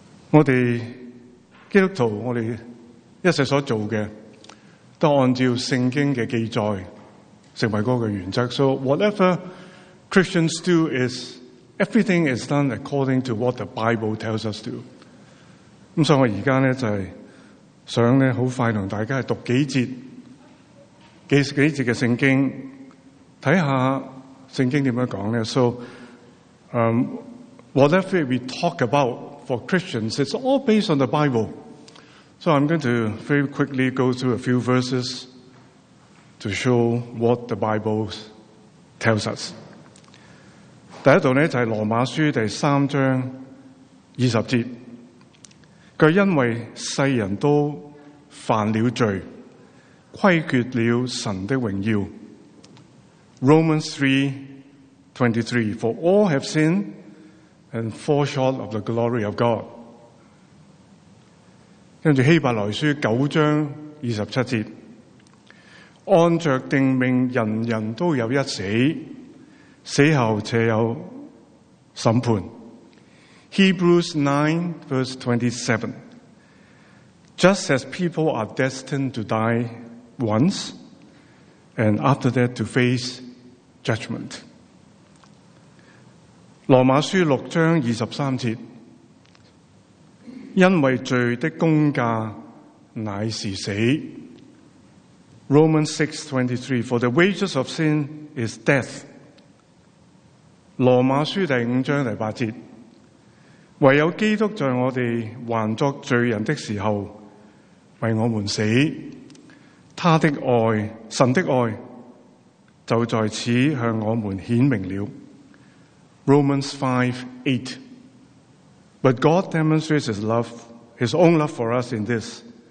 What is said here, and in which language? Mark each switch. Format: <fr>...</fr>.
<zh>我们基督徒，我们一切所做的都按照圣经的记载成为那个原则。</zh> <en>So whatever Christians do, is everything is done according to what the Bible tells us to.</en> <zh>所以我现在就是想很快和大家读几节的圣经，看看圣经怎么讲呢？</zh> <en>So, whatever we talk about for Christians, it's all based on the Bible. So I'm going to very quickly go through a few verses to show what the Bible tells us.</en> <zh>第一度呢，就是罗马书第三章二十节。他因为世人都犯了罪，亏缺了神的荣耀。</zh> <en>Romans 3:23, for all have sinned and fall short of the glory of God.</en> <zh>跟着希伯来书九章二十七节，按着定命，人人都有一死，死后且有审判。</zh> <en>Hebrews 9 verse 27. Just as people are destined to die once, and after that to face judgment.</en> <zh>罗马书六章二十三节，因为罪的工价乃是死。</zh> <en>Romans 6:23, for the wages of sin is death.</en> <zh>罗马书第五章第八节，唯有基督在我们还作罪人的时候为我们死，他的爱，神的爱就在此向我们显明了。</zh> <en>Romans 5:8, but God demonstrates his love, his own love for us in this.</en>